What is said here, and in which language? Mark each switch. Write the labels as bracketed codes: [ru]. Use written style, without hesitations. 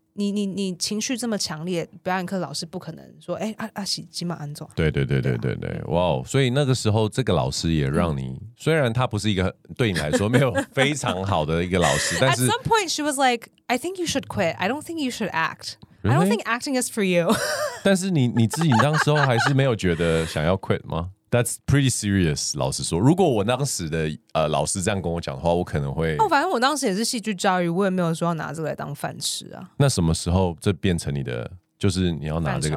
[zh] 你情绪这么强烈，表演课老师不可能说哎、欸、啊啊，起码安坐。对对对对对对，哇、啊！ Wow, 所以那个时候，这个老师也让你、嗯，虽然他不是一个对你来说没有非常好的一个老师，但是 [en] at some point she was like, I think you should quit. I don't think you should act. I don't think acting is for you. [zh] 但是你自己当时候还是没有觉得想要 quit 吗？ [en] That's pretty serious, [zh] 老实说。如果我当时的、老师这样跟我讲的话，我可能会、哦……反正我当时也是戏剧教育，我也没有说要拿这个来当饭吃啊。那什么时候这变成你的，就是你要拿这个、